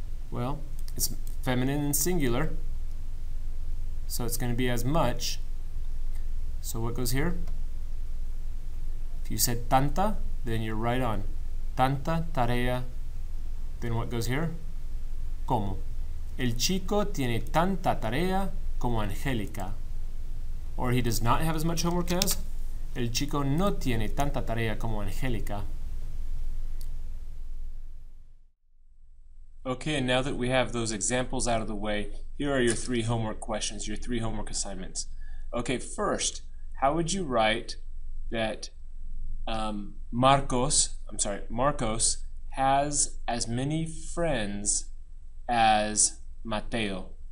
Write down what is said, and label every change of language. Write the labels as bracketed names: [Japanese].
[English] Well, it's feminine and singular, so it's going to be as much. So what goes here? If you said tanta, then you're right on. [Spanish] Tanta tarea, [English] then what goes here? Como. [Spanish] El chico tiene tanta tarea como Angélica. [English] Or he does not have as much homework as. [Spanish] El chico no tiene tanta tarea como Angélica. [English] Okay, now that we have those examples out of the way, here are your three homework questions, your three homework assignments. Okay, first, how would you write that Marcos has as many friends as Mateo?